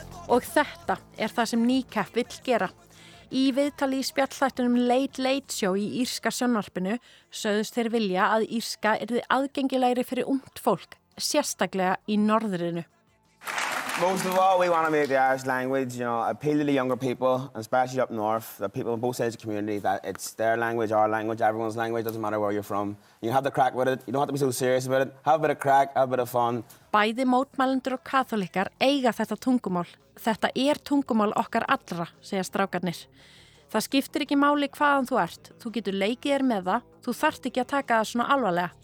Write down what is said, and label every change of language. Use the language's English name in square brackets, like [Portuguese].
[Icelandic] Og þetta það sem Kneecap vill gera. Í viðtali í spjallþættunum Late Late Show í írska sjónvarpinu sögðust þeir vilja að írska yrði aðgengilegri fyrir ungt fólk, sérstaklega í norðrinu. [English] Most of all, we want to make the Irish language, you know, appeal to the younger people, especially up north, the people on both sides of the community, that it's their language, our language, everyone's language, doesn't matter where you're from. You have the crack with it, you don't have to be so serious about it, have a bit of crack, have a bit of fun. [Icelandic] Bæði mótmælendur og kaþólikkar eiga þetta tungumál. Þetta tungumál okkar allra, segja strákarnir. Það skiptir ekki máli hvaðan þú ert, þú getur leikið með það, þú þarft ekki að taka það svona alvarlega.